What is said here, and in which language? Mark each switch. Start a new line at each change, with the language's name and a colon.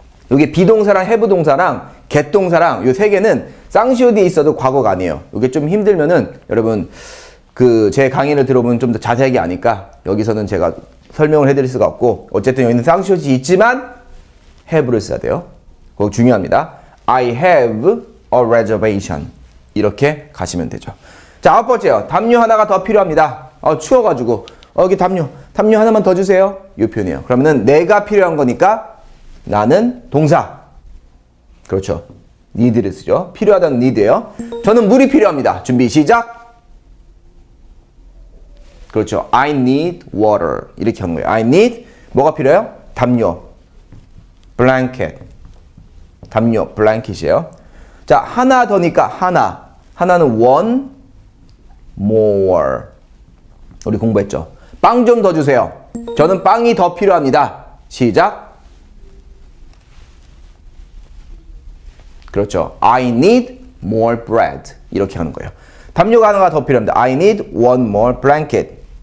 Korean: 여기 비동사랑 have 동사랑 get 동사랑 이 세 개는 쌍시옷이 있어도 과거가 아니에요. 이게 좀 힘들면은 여러분 그 제 강의를 들어보면 좀 더 자세하게 아니까 여기서는 제가 설명을 해드릴 수가 없고 어쨌든 여기는 쌍시옷이 있지만 have를 써야 돼요. 그거 중요합니다.
English: I have a reservation
Korean: 이렇게 가시면 되죠. 자, 아홉 번째요. 담요 하나가 더 필요합니다. 추워가지고 여기 담요 하나만 더 주세요. 이 표현이에요. 그러면은 내가 필요한 거니까 나는 동사 그렇죠. need를 쓰죠. 필요하다는 need예요. 저는 물이 필요합니다. 준비 시작. 그렇죠.
English: I need water.
Korean: 이렇게 하는 거예요.
English: I need
Korean: 뭐가 필요해요? 담요. blanket. 담요. blanket이에요. 자, 하나 더니까 하나. 하나는
English: one more.
Korean: 우리 공부했죠. 빵 좀 더 주세요. 저는 빵이 더 필요합니다. 시작. 그렇죠.
English: I need more bread.
Korean: 이렇게 하는 거예요. 담요가 하나가 더 필요합니다.
English: I need one more blanket.